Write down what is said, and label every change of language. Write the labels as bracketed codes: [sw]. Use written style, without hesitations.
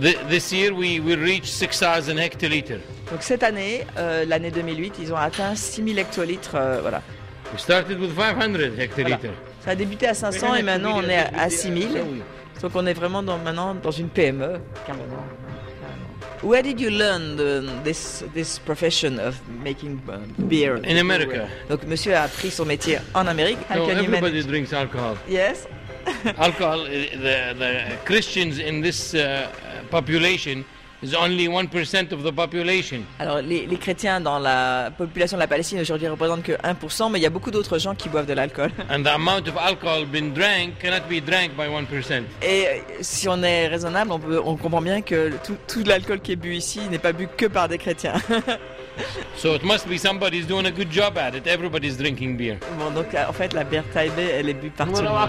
[en] This year we reach 6,000 hectolitres. [fr] Donc cette année, l'année 2008, ils ont atteint 6,000 hectolitres, voilà. [en] We started with 500 hectolitres. [fr] Voilà. Ça a débuté à 500 et maintenant on est à 6,000. Donc on est vraiment maintenant dans une PME. Carrément. [en] Where did you learn this profession of making beer? In America. [fr] Donc monsieur a appris son métier en Amérique. [en] How can everybody you manage? Drinks alcohol. Yes. Alcohol, the Christians in this population is only 1% of the population. [fr] Alors les chrétiens dans la population de la Palestine aujourd'hui représentent que 1%, mais il y a beaucoup d'autres gens qui boivent de l'alcool. [en] And the amount of alcohol been drank cannot be drank by 1%. [fr] Et si on est raisonnable, on comprend bien que tout l'alcool qui est bu ici n'est pas bu que par des chrétiens. [en] So it must be somebody's doing a good job at it. Everybody's drinking beer. [fr] Bon, donc en fait la bière Taibe, elle est bu partout.